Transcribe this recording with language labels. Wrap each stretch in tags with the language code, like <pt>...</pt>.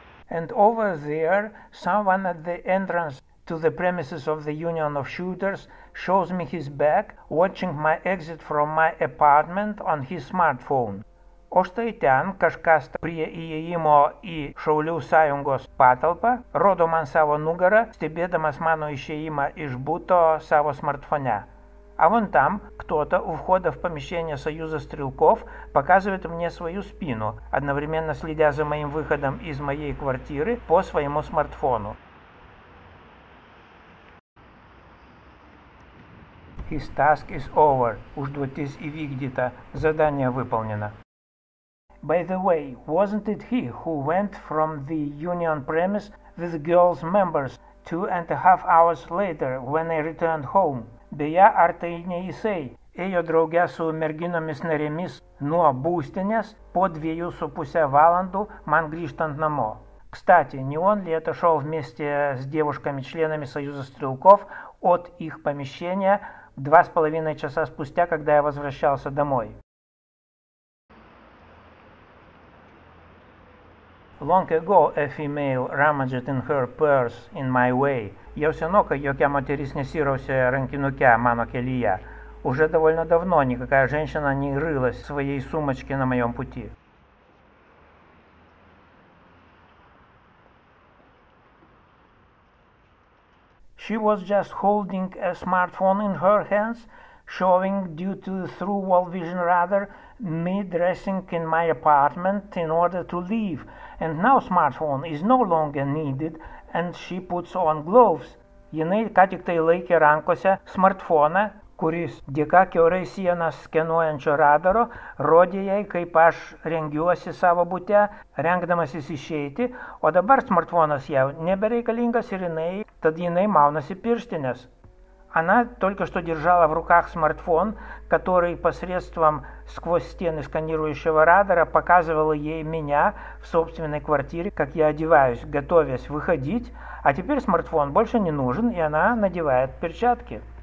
<en>And over there, someone at the entrance to the premises of the Union of Shooters shows me his back, watching my exit from my apartment on his smartphone.</en> <lt>O štai ten kažkas prie įėjimo į Šaulių sąjungos patalpą rodo man savo nugarą, stebėdamas mano išėjimą iš buto savo smartfone.</lt> <ru>А вон там кто-то у входа в помещение Союза стрелков показывает мне свою спину, одновременно следя за моим выходом из моей квартиры по своему смартфону.</ru> <en>His task is over.</en> <lt>Уж дотис ивигдита.</lt> <ru>Задание выполнено.</ru> <en>By the way, wasn't it he who went from the union premise with girls members 2.5 hours later when I returned home?</en> <lt>Beje, ar tai ne jisai ėjo drauge su merginomis narėmis nuo būstinės po</lt> <en>2.5 hours</en> <lt>man grįžtant namo?</lt> <ru>Кстати, не он ли это шел вместе с девушками-членами Союза стрелков от их помещения 2.5 часа спустя, когда я возвращался домой?</ru> <en>Long ago a female rummaged in her purse in my way.</en> <lt>Jau senokai jokia moteris nesirausė rankinuke mano kelyje.</lt> <ru>Уже довольно давно никакая женщина не рылась в своей сумочке на моем пути.</ru> <en>She was just holding a smartphone in her hands, showing due to through wall vision rather me dressing in my apartment in order to leave. And now smartphone is no longer needed and she puts on gloves.</en> <lt>Jinai ką tik tai laikė rankose smartfoną, kuris dėka kiaurai sienas skenuojančio radaro rodė jai, kaip aš rengiuosi savo bute, rengdamasis išeiti, o dabar smartfonas jau nebereikalingas ir jinai, tad jinai maunasi pirštinės.</lt> <ru>Она только что держала в руках смартфон, который посредством сквозь стены сканирующего радара показывал ей меня в собственной квартире, как я одеваюсь, готовясь выходить, а теперь смартфон больше не нужен, и она надевает перчатки.</ru>